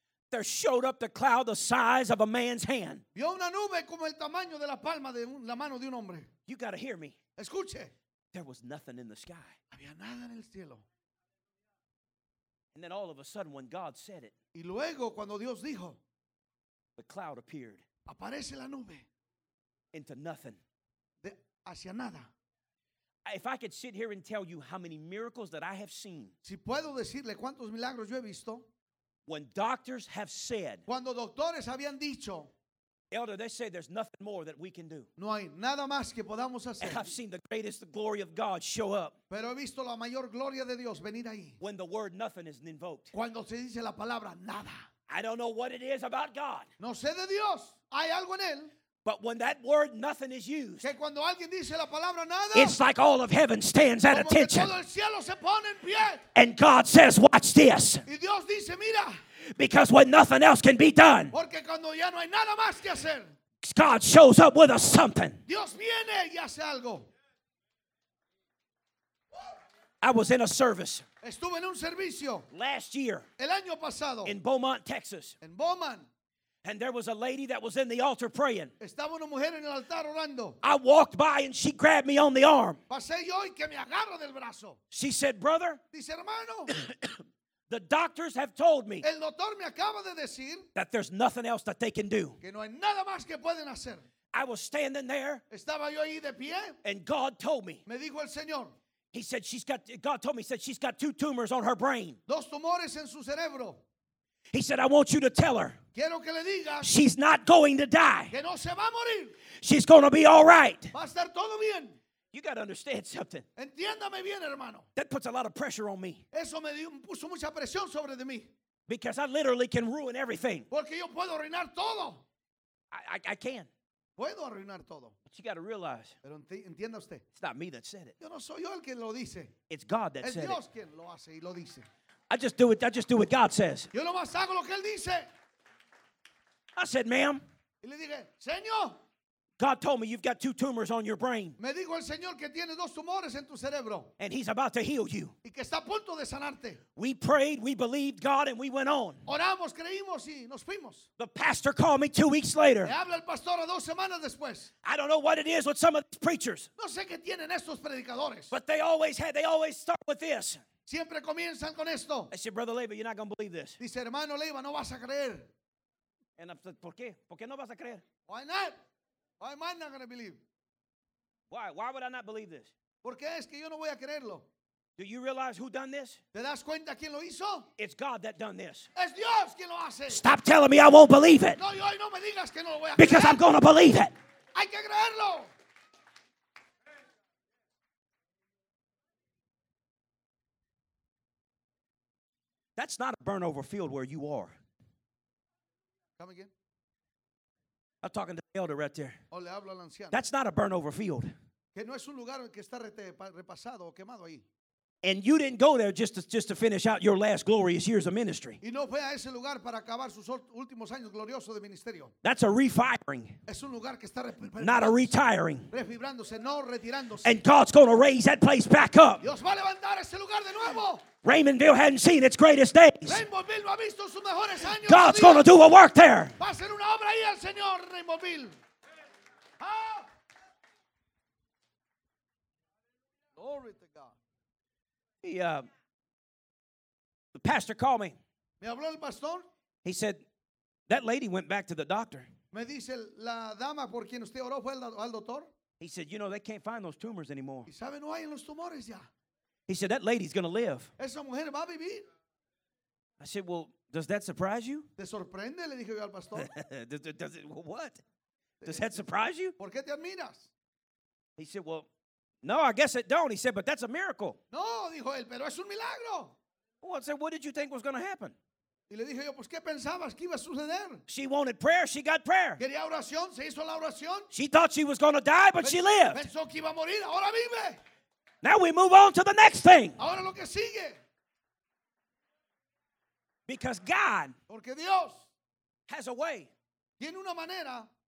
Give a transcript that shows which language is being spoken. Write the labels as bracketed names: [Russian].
[English] there showed up the cloud the size of a man's hand. [Spanish] Vio una nube como el tamaño de la palma de la mano de un hombre. [English] You got to hear me. [Spanish] Escuche. [English] There was nothing in the sky. [Spanish] Había nada en el cielo. [English] And then all of a sudden, when God said it, [Spanish] y luego, cuando Dios dijo, [English] the cloud appeared. [Spanish] Aparece la nube. [English] Into nothing. [Spanish] De hacia nada. [English] If I could sit here and tell you how many miracles that I have seen. [Spanish] Si puedo decirle cuántos milagros yo he visto. [English] When doctors have said. [Spanish] Cuando doctores habían dicho. [English] Elder, they say there's nothing more that we can do. [Spanish] No hay nada más que podamos hacer. [English] And I've seen the greatest glory of God show up. [Spanish] Pero he visto la mayor gloria de Dios venir ahí. [English] When the word nothing is invoked. [Spanish] Cuando se dice la palabra nada. [English] I don't know what it is about God. [Spanish] No sé de Dios. Hay algo en él. [English] But when that word nothing is used, [Spanish] que cuando alguien dice la palabra nada, [English] it's like all of heaven stands at attention. [Spanish] Como que todo el cielo se pone en pie. [English] And God says, watch this. [Spanish] Y Dios dice, mira. [English] Because when nothing else can be done, [Spanish] porque cuando ya no hay nada más que hacer, [English] God shows up with a something. [Spanish] Dios viene y hace algo. [English] I was in a service. [Spanish] Estuve en un servicio. [English] Last year. [Spanish] El año pasado. [English] In Beaumont, Texas. [Spanish] En Beaumont. [English] And there was a lady that was in the altar praying. [Spanish] Estaba una mujer en el altar orando. [English] I walked by and she grabbed me on the arm. [Spanish] Pasé yo y que me agarro del brazo. [English] She said, brother. [Spanish] Dice, hermano. [English] The doctors have told me, [Spanish] el doctor me acaba de decir, [English] that there's nothing else that they can do. [Spanish] Que no hay nada más que pueden hacer. [English] I was standing there. [Spanish] Estaba yo ahí de pie. [English] And God told me. [Spanish] Me dijo el Señor. [English] He said she's got, God told me, he said she's got 2 tumors on her brain. [Spanish] Dos tumores en su cerebro. [English] He said, I want you to tell her. [Spanish] Quiero que le digas, [English] she's not going to die. [Spanish] Que no se va a morir. [English] She's going to be all right. [Spanish] Va a estar todo bien. [English] You got to understand something. [Spanish] Entiéndame bien, hermano. [English] That puts a lot of pressure on me. [Spanish] Eso me dio, puso mucha presión sobre de mí. [English] Because I literally can ruin everything. [Spanish] Porque yo puedo arruinar todo. [English] I can. [Spanish] Puedo arruinar todo. [English] But you got to realize. [Spanish] Pero entienda usted. [English] It's not me that said it. [Spanish] Yo no soy yo el que lo dice. [English] It's God that [Spanish] es [English] said [Spanish] Dios [English] it. [Spanish] Quien lo hace y lo dice. [English] I just do what God says. [Spanish] Yo nomás hago lo que él dice. [English] I said, ma'am. [Spanish] Y le dije, señor. [English] God told me you've got 2 tumors on your brain. [Spanish] Me dijo el Señor que tiene 2 tumores en tu cerebro. [English] And he's about to heal you. [Spanish] Y que está a punto de sanarte. [English] We prayed, we believed God, and we went on. [Spanish] Oramos, creímos, y nos fuimos. [English] The pastor called me 2 weeks later. [Spanish] Le habla el pastor a 2 semanas después. [English] I don't know what it is with some of these preachers. [Spanish] No sé qué tienen estos predicadores. [English] But they always start with this. [Spanish] Siempre comienzan con esto. [English] I said, Brother Leyva, you're not going to believe this. [Spanish] Dice, hermano Leyva, no vas a creer. [English] And I said, [Spanish] ¿por qué? ¿Por qué no vas a creer? [English] Why not? Why am I not going to believe? Why would I not believe this? [Spanish] ¿Por qué es que yo no voy a creerlo? [English] Do you realize who done this? [Spanish] ¿Te das cuenta quién lo hizo? [English] It's God that done this. [Spanish] Es Dios quien lo hace. [English] Stop telling me I won't believe it. [Spanish] No, yo no me digas que no lo voy a creer. [English] Because I'm going to believe it. [Spanish] Hay que creerlo. [English] That's not a burnover field where you are. Come again? I'm talking to the elder right there. [Spanish] O le hablo al anciano. [English] That's not a burnover field. [Spanish] Que no es un lugar que está repasado o quemado ahí. [English] And you didn't go there just to finish out your last glorious years of ministry. [Spanish] Y no fue a ese lugar para acabar sus últimos años gloriosos de ministerio. [English] That's a refiring. [Spanish] Es un lugar que está [English] not a retiring. [Spanish] Refibrándose, no retirándose. [English] And God's going to raise that place back up. [Spanish] Dios va a levantar ese lugar de nuevo. [English] Raymondville hadn't seen its greatest days. [Spanish] Raymondville no ha visto sus mejores años. [English] God's going to do a work there. [Spanish] Va a hacer una obra ahí el Señor, Raymondville. [English] Glory to God. The pastor called me. [Spanish] Me habló el pastor. [English] He said, that lady went back to the doctor. [Spanish] Me dice, la dama por quien usted oró fue al doctor. [English] He said, you know, they can't find those tumors anymore. [Spanish] ¿Y sabe, no hay en los tumores ya? [English] He said, that lady's going to live. [Spanish] Esa mujer va a vivir. [English] I said, well, does that surprise you? [Spanish] ¿Te sorprende? Le dije yo al pastor. [English] Does it, what? Does that surprise you? [Spanish] ¿Por qué te admiras? [English] He said, well, no, I guess it don't. He said, but that's a miracle. [Spanish] No, dijo él, pero es un milagro. [English] Well, I said, what did you think was going to happen? [Spanish] Y le dije yo, pues, ¿qué pensabas que iba a suceder? [English] She wanted prayer, she got prayer. [Spanish] Quería oración, se hizo la oración. [English] She thought she was going to die, but she lived. [Spanish] Pensó que iba a morir, ahora vive. [English] Now we move on to the next thing. [Spanish] Ahora lo que sigue. [English] Because God, [Spanish] porque Dios, [English] has a way, [Spanish] tiene una manera,